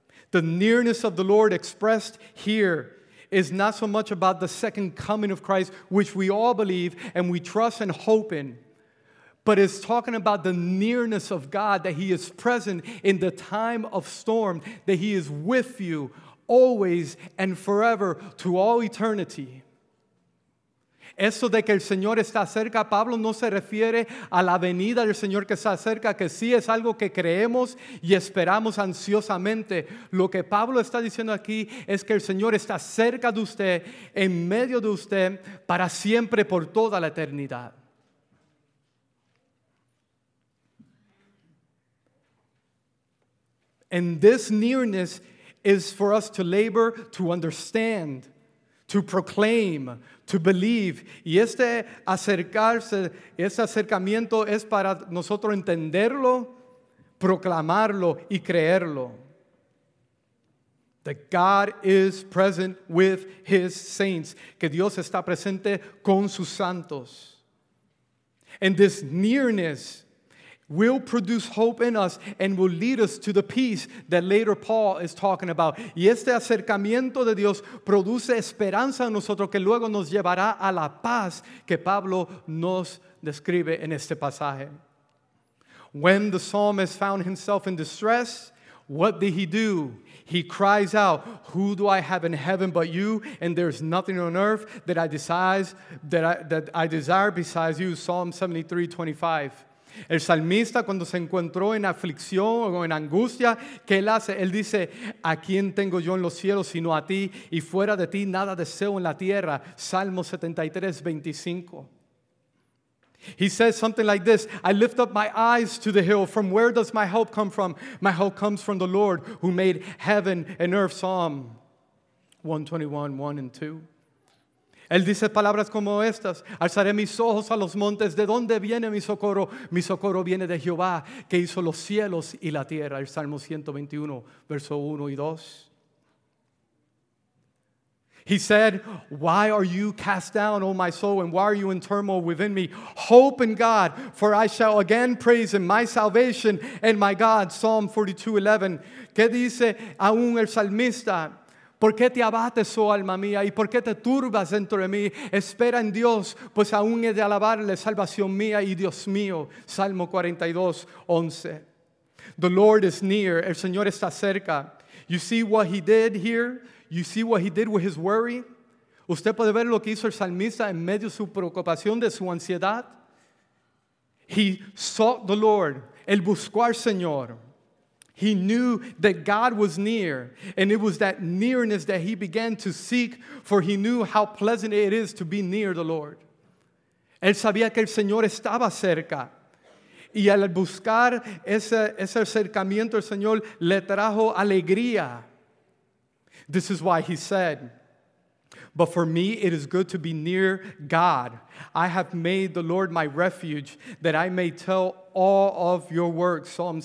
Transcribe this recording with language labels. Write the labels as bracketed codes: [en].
[en] The nearness of the Lord expressed here is not so much about the second coming of Christ, which we all believe and we trust and hope in. But it's talking about the nearness of God, that he is present in the time of storm, that he is with you always and forever to all eternity. [es] Eso de que el Señor está cerca, Pablo no se refiere a la venida del Señor que está cerca, que sí es algo que creemos y esperamos ansiosamente. Lo que Pablo está diciendo aquí es que el Señor está cerca de usted, en medio de usted, para siempre, por toda la eternidad. [en] And this nearness is for us to labor, to understand, to proclaim, to believe. [es] Y este acercarse, ese acercamiento es para nosotros entenderlo, proclamarlo y creerlo. [en] That God is present with his saints. [es] Que Dios está presente con sus santos. [en] And this nearness will produce hope in us and will lead us to the peace that later Paul is talking about. [es] Y este acercamiento de Dios produce esperanza en nosotros que luego nos llevará a la paz que Pablo nos describe en este pasaje. [en] When the psalmist found himself in distress, what did he do? He cries out, "Who do I have in heaven but you? And there's nothing on earth that I desire, that I desire besides you." Psalm 73:25. [es] El salmista cuando se encontró en aflicción o en angustia, ¿qué él hace? Él dice, "¿A quién tengo yo en los cielos sino a ti? Y fuera de ti nada deseo en la tierra." Salmo 73:25. [en] He says something like this, "I lift up my eyes to the hill. From where does my help come from? My help comes from the Lord who made heaven and earth." Psalm 121:1-2. [es] Él dice palabras como estas, "Alzaré mis ojos a los montes. ¿De dónde viene mi socorro? Mi socorro viene de Jehová que hizo los cielos y la tierra." El Salmo 121:1-2. [en] He said, "Why are you cast down, O my soul, and why are you in turmoil within me? Hope in God, for I shall again praise him, my salvation and my God." Psalm 42:11. [es] ¿Qué dice aún el salmista? ¿Por qué te abates, oh alma mía? ¿Y por qué te turbas dentro de mí? Espera en Dios, pues aún he de alabarle, salvación mía y Dios mío. Salmo 42:11. [en] The Lord is near. [es] El Señor está cerca. [en] You see what he did here? You see what he did with his worry? [es] Usted puede ver lo que hizo el salmista en medio de su preocupación, de su ansiedad. [en] He sought the Lord. [es] Él buscó al Señor. [en] He knew that God was near. And it was that nearness that he began to seek, for he knew how pleasant it is to be near the Lord. [es] Él sabía que el Señor estaba cerca. Y al buscar ese acercamiento, el Señor le trajo alegría. [en] This is why he said, "But for me, it is good to be near God. I have made the Lord my refuge, that I may tell all of your works."